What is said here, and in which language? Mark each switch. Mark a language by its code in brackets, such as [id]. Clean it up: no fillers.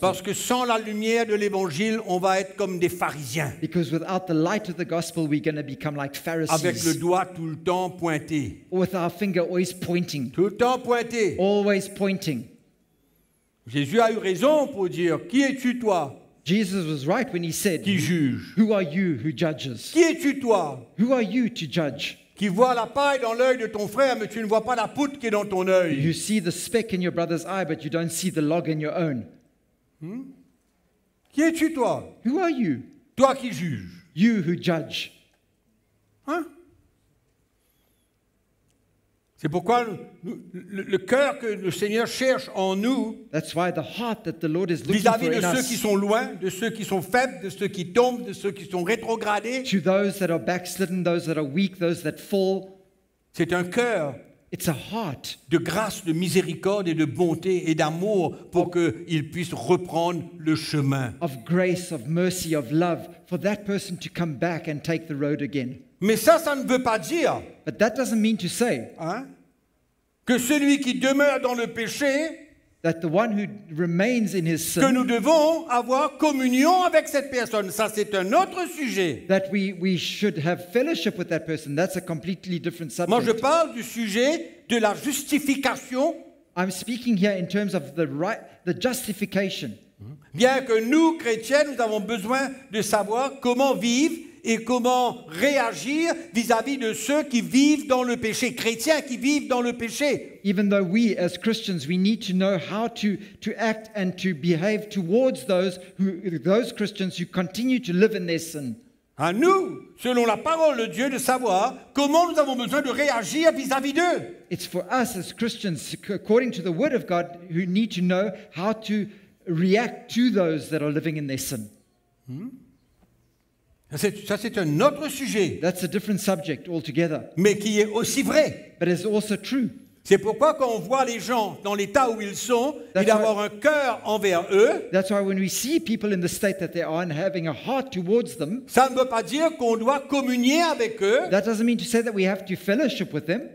[fr] Parce que sans la lumière de l'Évangile, on va être comme des pharisiens. [en] Because without the light of the gospel, we're going to become like Pharisees. [fr] Avec le doigt tout le temps pointé. [en] With our finger always pointing. [fr] Tout le temps pointé. [en] Always pointing. [fr] Jésus a eu raison pour dire, qui es-tu toi? [en] Jesus was right when he said, [fr] qui juge? [en] Who are you who judges? [fr] Qui es-tu toi? [en] Who are you to judge? [fr] Qui voit la paille dans l'œil de ton frère, mais tu ne vois pas la poutre qui est dans ton œil. [en] You see the speck in your brother's eye, but you don't see the log in your own. [fr] Qui es-tu toi? [en] Who are you? [fr] Toi qui juges. [en] You who judge. Hein? [fr] C'est pourquoi le cœur que le Seigneur cherche en nous. [en] That's why the heart that the Lord is looking [fr] vis-à-vis [en] for [fr] de [en] in [fr] ceux [en] us, [fr] qui sont loin, de ceux qui sont faibles, de ceux qui tombent, de ceux qui sont rétrogradés. [en] To those that are backslidden, those that are weak, those that fall. [fr] C'est un cœur. [en] It's a heart [fr] de grâce, de miséricorde et de bonté et d'amour pour qu'ils puissent reprendre le chemin. [en] Of grace, of mercy, of love for that person to come back and take the road again. [fr] Mais ça ne veut pas dire. [en] But that doesn't mean to say. [fr] Hein? Que celui qui demeure dans le péché. [en] That the one who remains in his sin. [fr] Que nous devons avoir communion avec cette personne. Ça, c'est un autre sujet. [en] That we should have fellowship with that person. That's a completely different subject. [fr] Moi, je parle du sujet de la justification. [en] I'm speaking here in terms of the justification. [fr] Bien que nous, chrétiens, nous avons besoin de savoir comment vivre et comment réagir vis-à-vis de ceux qui vivent dans le péché, chrétiens qui vivent dans le péché. [en] Even though we as Christians we need to know how to act and to behave towards those Christians who continue to live in their sin. [fr] À nous, selon la parole de Dieu, de savoir comment nous avons besoin de réagir vis-à-vis d'eux. [en] It's for us as Christians according to the word of God who need to know how to react to those that are living in their sin. [fr] Ça c'est un autre sujet. [en] That's a different subject altogether. [fr] Mais qui est aussi vrai. [en] But it's also true. [fr] C'est pourquoi quand on voit les gens dans l'état où ils sont, [en] that's [fr] et d'avoir un cœur envers eux. [en] That's why when we see people in the state that they are and having a heart towards them. [fr] Ça ne veut pas dire qu'on doit communier avec eux. [en] That doesn't mean to say that we have to fellowship with them.